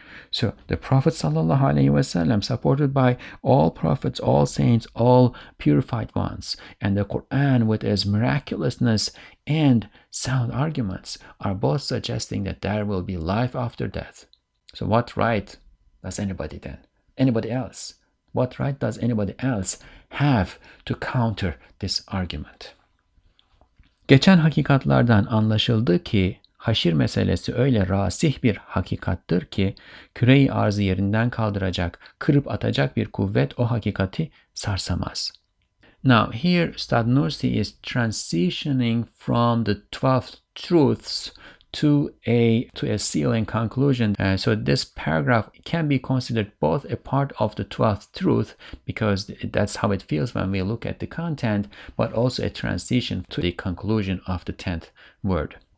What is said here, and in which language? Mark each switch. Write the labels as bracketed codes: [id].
[en] So the Prophet sallallahu alaihi wasallam, supported by all prophets, all saints, all purified ones, and the Quran with its miraculousness and sound arguments are both suggesting that there will be life after death. So what right does anybody then anybody else? What right does anybody else have to counter this argument? [tr] Geçen hakikatlardan anlaşıldı ki haşir meselesi öyle rasih bir hakikattır ki küreyi arzı yerinden kaldıracak, kırıp atacak bir kuvvet o hakikati sarsamaz. [en] Now here Ustad Nursi is transitioning from the 12 truths to a ceiling conclusion. So this paragraph can be considered both a part of the 12th truth, because that's how it feels when we look at the content, but also a transition to the conclusion of the 10th word.